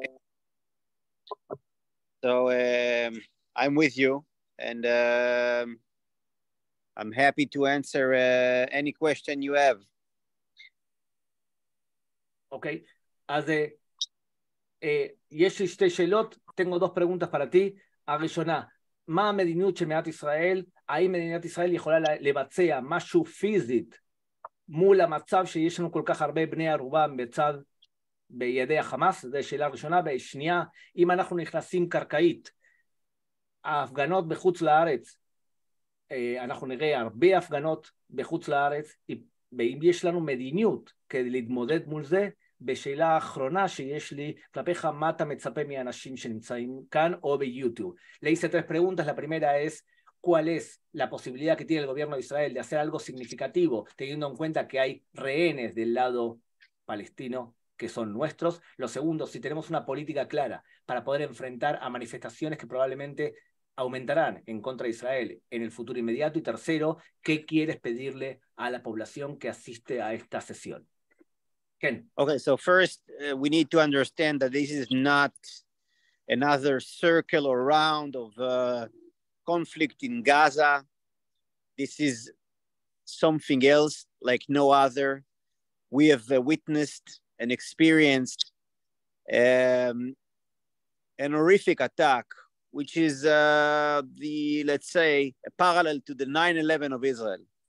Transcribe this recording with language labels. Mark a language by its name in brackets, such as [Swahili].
[English] Okay. So, I'm with you, and I'm happy to answer any question you have. [Hebrew] אוקיי, okay. אז יש לי שתי שאלות, tengo dos preguntas para ti. הראשונה, מה המדיניות של מדינת ישראל? האם מדינת ישראל יכולה לבצע משהו פיזית? מול המצב שיש לנו כל כך הרבה בני ערובה בצד בידי החמאס, זו שאלה ראשונה, בשנייה, אם אנחנו נכנסים קרקעית, ההפגנות בחוץ לארץ, אנחנו נראה הרבה הפגנות בחוץ לארץ, ואם יש לנו מדיניות כדי להתמודד מול זה, בשאלה האחרונה שיש לי, כלפיך, מה אתה מצפה מאנשים שנמצאים כאן או ביוטיוב? [Spanish] Le hice tres preguntas, la primera es, ¿cuál es la posibilidad que tiene el gobierno de Israel de hacer algo significativo, teniendo en cuenta que hay rehenes del lado palestino que son nuestros? Lo segundo, si tenemos una política clara para poder enfrentar a manifestaciones que probablemente aumentarán en contra de Israel en el futuro inmediato. Y tercero, ¿qué quieres pedirle a la población que asiste a esta sesión? [Hebrew] Ken. [English] Okay, so first, we need to understand that this is not another circle or round of... conflict in Gaza. This is something else like no other. We have witnessed and experienced an horrific attack, which is a parallel to the 9/11 of Israel.